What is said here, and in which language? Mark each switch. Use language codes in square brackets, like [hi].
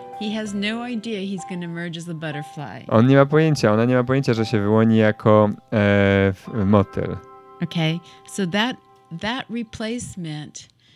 [en] He has no idea he's gonna emerge as a butterfly. [pl] On nie ma pojęcia, ona nie ma pojęcia, że się wyłoni jako motyl. [en] Okay, so that replacement.